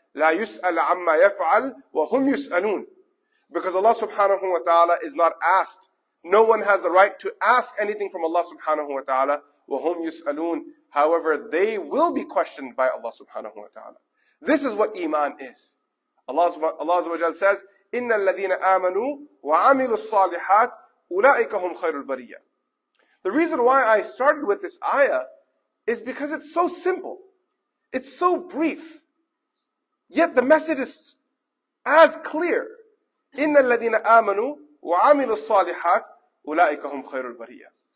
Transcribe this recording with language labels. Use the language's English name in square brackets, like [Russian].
[Arabic] لَا يُسْأَلَ عَمَّا يَفْعَلْ وَهُمْ يُسْأَلُونَ. [English] Because Allah subhanahu wa ta'ala is not asked. No one has the right to ask anything from Allah subhanahu wa ta'ala. [Arabic] وَهُمْ يُسْأَلُونَ. [English] However, they will be questioned by Allah subhanahu wa ta'ala. This is what iman is. Allah subhanahu wa ta'ala says, [Arabic] إِنَّ الَّذِينَ آمَنُوا وَعَمِلُوا الصَّالِحَاتِ أُولَٰئِكَ هُمْ خَيْرُ الْبَرِيَّةِ. [English] The reason why I started with this ayah is because it's so simple. It's so brief. Yet the message is as clear. [Arabic] إِنَّ الَّذِينَ آمَنُوا وَعَمِلُوا الصَّالِحَاتِ أُولَٰئِكَ هُمْ خَيْرُ الْبَرِيَّةِ.